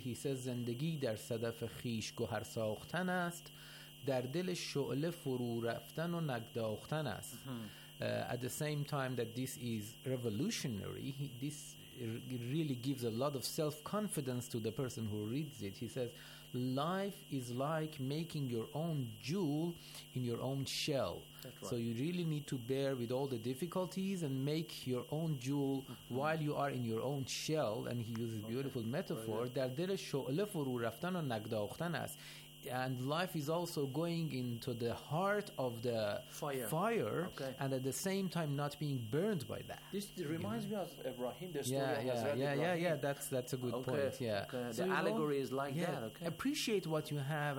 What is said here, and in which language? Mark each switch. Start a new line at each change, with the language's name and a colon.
English: He says,
Persian: زندگی در صدف خیش گوهر ساختن است، در دل شعله فرو رفتن و نگداختن است.
English: At the same time that this is revolutionary, this really gives a lot of self-confidence to the person who reads it. He says, life is like making your own jewel in your own shell. So you really need to bear with all the difficulties and make your own jewel while you are in your own shell. And he uses a beautiful metaphor.
Persian: در دل شعله فرو رفتن و نگداختن است.
English: And life is also going into the heart of the fire and at the same time not being burned by that. This reminds me of Ibrahim, the story That's a good point. Yeah. So the allegory is like that. Okay. Appreciate what you have.